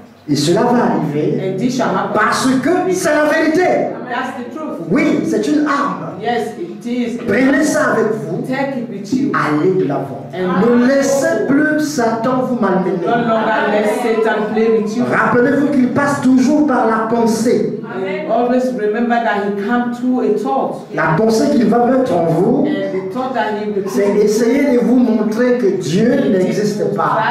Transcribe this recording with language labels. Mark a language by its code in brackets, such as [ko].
[fr] Et cela va arriver parce que c'est la vérité. [en] That's the truth. [fr] Oui, c'est une arme. [en] Yes, it is. [fr] Prenez ça avec vous. [en] Take it with you. [fr] Allez de l'avant. Ne laissez plus Satan vous malmener. [en] No longer let Satan play with you. [fr] Rappelez-vous qu'il passe toujours par la pensée. [en] Always remember that he came through a thought. [fr] La pensée qu'il va mettre en vous, c'est essayer de vous montrer que Dieu n'existe pas.